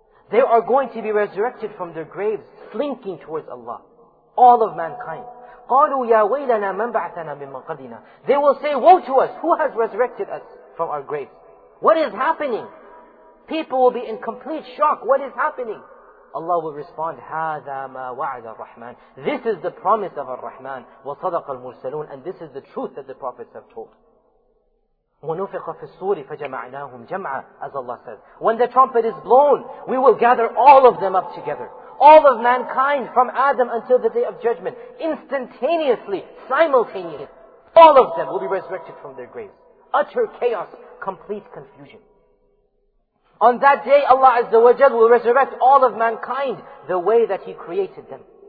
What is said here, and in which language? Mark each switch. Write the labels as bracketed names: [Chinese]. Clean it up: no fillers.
[English] They are going to be resurrected from their graves, slinking towards Allah. All of mankind. [Arabic] قَالُوا يَا وَيْلَنَا مَنْ بَعْثَنَا مِنْ مَقَدِنَا. [English] They will say, woe to us, who has resurrected us from our graves? What is happening? People will be in complete shock. What is happening? Allah will respond, [Arabic] هذا ما وعد الرحمن. [English] This is the promise of الرحمن. [Arabic] وصدق المرسلون. [English] And this is the truth that the prophets have told. [Arabic] ونفخ في الصور فجمعناهم جمعا. [English] As Allah says, when the trumpet is blown, we will gather all of them up together. All of mankind from Adam until the day of judgment. Instantaneously, simultaneously, all of them will be resurrected from their graves. Utter chaos, complete confusion. On that day, Allah Azza wa Jal will resurrect all of mankind the way that He created them.